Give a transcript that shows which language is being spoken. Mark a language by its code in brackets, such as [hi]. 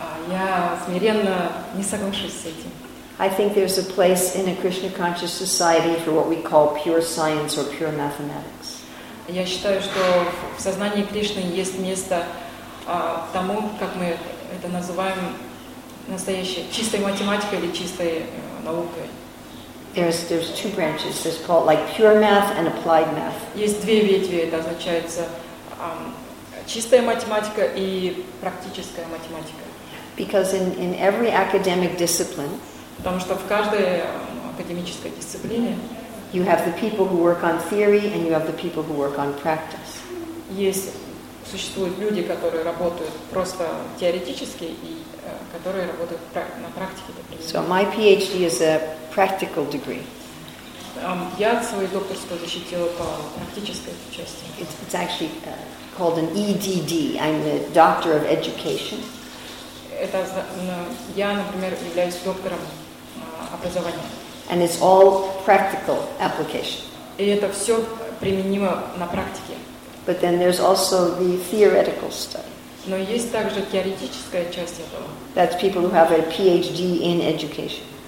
[ru] Я смиренно не соглашусь с этим. [en] I think there's a place in a Krishna conscious society for what we call pure science or pure mathematics. [ru] Я считаю, что в сознании Кришны есть место тому, как мы это называем настоящей чистой математикой или чистой наукой. [en] There's two branches. There's called like pure math and applied math. [ru] Есть две ветви. Это означается чистая математика и практическая математика. [en] Because in every academic discipline, [ru] потому что в каждой академической дисциплине [en] you have the people who work on theory and you have the people who work on practice. [ru] Есть существуют люди, которые работают просто теоретически и которые работают на практике. [en] So my PhD is a practical degree. [ru] Я свою докторскую защитила по практической части. [en] It's actually called an EDD. I'm the Doctor of Education. [ru] Это я, например, являюсь доктором образования. [en] And it's all practical application. [ru] И это все применимо на практике. [en] But then there's also the theoretical study. [ru] Но есть также теоретическая часть этого. [en] That's people who have a PhD in education.